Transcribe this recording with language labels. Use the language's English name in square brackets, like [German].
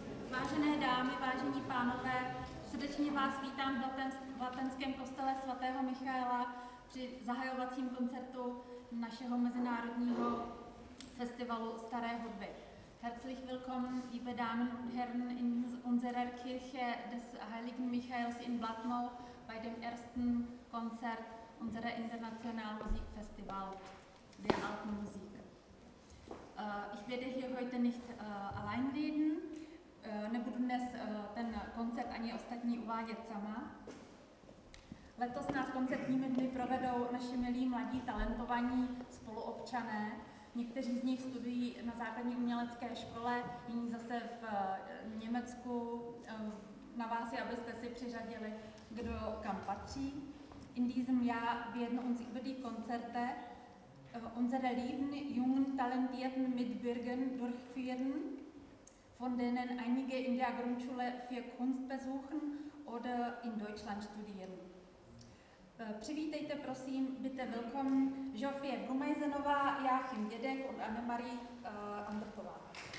[Czech] Vážené dámy, vážení pánové, srdečně vás vítám v Latenském kostele svatého Michaela při zahajovacím koncertu našeho mezinárodního festivalu staré hudby. [German] Herzlich willkommen, liebe Damen und Herren, in unserer Kirche des Heiligen Michaels in Blatnau bei dem ersten Konzert unserer Internationalen Musikfestival der Alpenmusik. Ich werde hier heute nicht allein reden, [Czech] nebudu dnes ten koncert ani ostatní uvádět sama. Letos nás koncertními dny provedou naši milí mladí talentovaní spoluobčané. Někteří z nich studují na základní umělecké škole, jiní zase v Německu. Na vás je, abyste si přiřadili, kdo kam patří. [German] In diesem Jahr werden uns über die Konzerte unsere lieben, jungen, talentierten Mitbürgern durchführen, von denen einige in der Grundschule für Kunst besuchen oder in Deutschland studieren. [Czech] Přivítejte prosím, [German] bitte willkommen, [Czech] Zsofie Brumejzenová, Jáchym Dědek und Anne-Marie Andrková.